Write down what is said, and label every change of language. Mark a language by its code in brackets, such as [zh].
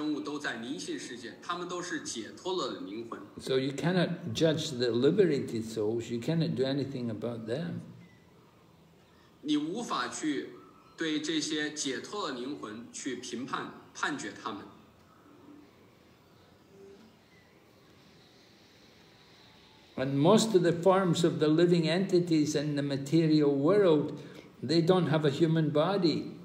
[zh] 有无数的生物,大部分的生物都在灵性世界,他们都是解脱了灵魂。 [en] So you cannot judge the liberated souls, you cannot do anything about them. [zh] 你无法去对这些解脱了灵魂去评判,判决他们。 [en] And most of the forms of the living entities in the material world, they don't have a human body.